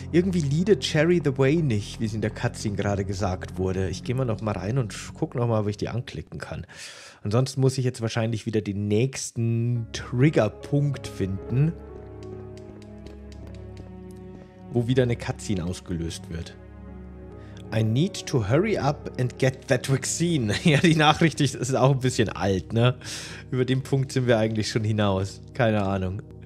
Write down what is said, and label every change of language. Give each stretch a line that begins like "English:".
German: Irgendwie leadet Cherry
English: the way
German: nicht, wie es in der Cutscene gerade gesagt wurde. Ich gehe mal nochmal rein und guck nochmal, ob ich die anklicken kann. Ansonsten muss ich jetzt wahrscheinlich wieder den nächsten Triggerpunkt finden, wo wieder eine Cutscene ausgelöst wird.
English: I need to hurry up and get that vaccine.
German: Ja, die Nachricht ist auch ein bisschen alt, ne? Über den Punkt sind wir eigentlich schon hinaus. Keine Ahnung.